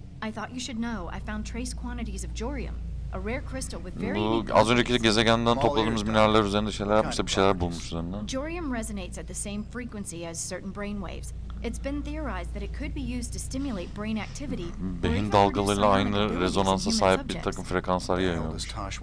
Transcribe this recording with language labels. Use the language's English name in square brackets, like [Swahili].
[English] I thought you should know, I found trace quantities of jorium. A rare crystal with very [Turkish] az önceki gezegenden topladığımız mineraller üzerinde şeyler yapmışsa bir şeyler bulmuş üzerinden. [English] Jorium resonates at the same frequency as certain brain waves. It's been theorized that it could be used to stimulate brain activity. [Turkish] Beyin dalgalarıyla aynı rezonansa sahip bir takım frekanslar yayıyormuş.